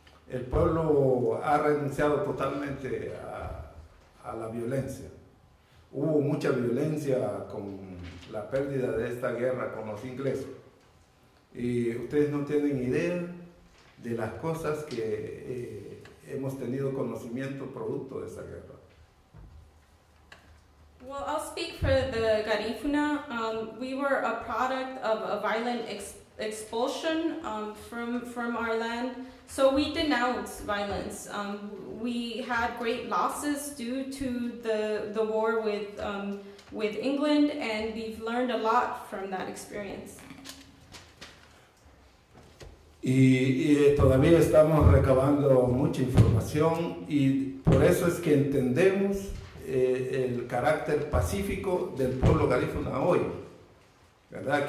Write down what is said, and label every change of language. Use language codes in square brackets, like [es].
[es] El pueblo ha renunciado totalmente a la violencia. Hubo mucha violencia con la pérdida de esta guerra con los ingleses. Y ustedes no tienen idea de las cosas que hemos tenido conocimiento producto de esa guerra. [en] Well, I'll speak for the Garifuna. We were a product of a violent expulsion from our land. So we denounce violence. We had great losses due to the war with England, and we've learned a lot from that experience. [es] Y todavía estamos recabando mucha información, y por eso es que entendemos el carácter pacífico del pueblo garífuna hoy, ¿verdad?